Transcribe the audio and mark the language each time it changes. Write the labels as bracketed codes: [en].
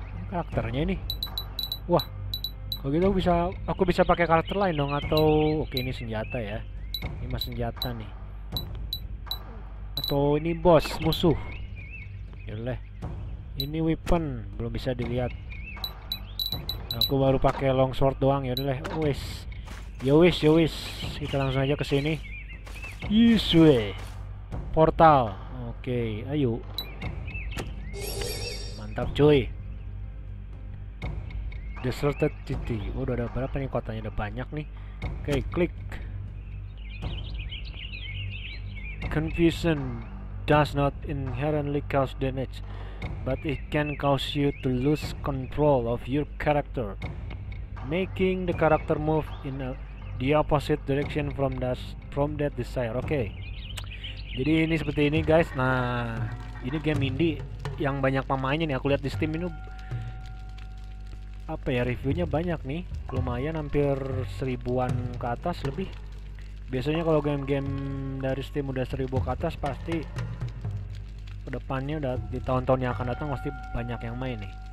[id] Karakternya ini, wah, kalau gitu aku bisa pakai karakter lain dong, atau oke, ini senjata ya, ini mas senjata nih, atau ini boss musuh, yaudah, ini weapon belum bisa dilihat, aku baru pakai longsword doang, yaudah, yowis, kita langsung aja ke sini, yiswe, portal, oke, ayo, mantap cuy. Deserted City. Udah ada berapa nih kotanya? Ada banyak nih. Oke, klik. [en] Confusion does not inherently cause damage, but it can cause you to lose control of your character, making the character move in the opposite direction from that desire. [id] Oke. Jadi ini seperti ini guys. Nah, ini game indie yang banyak pemainnya nih. Aku lihat di Steam ini apa ya, reviewnya banyak nih, lumayan hampir 1000-an ke atas lebih. Biasanya kalau game-game dari Steam udah 1000 ke atas, pasti kedepannya udah di tahun-tahun yang akan datang pasti banyak yang main nih.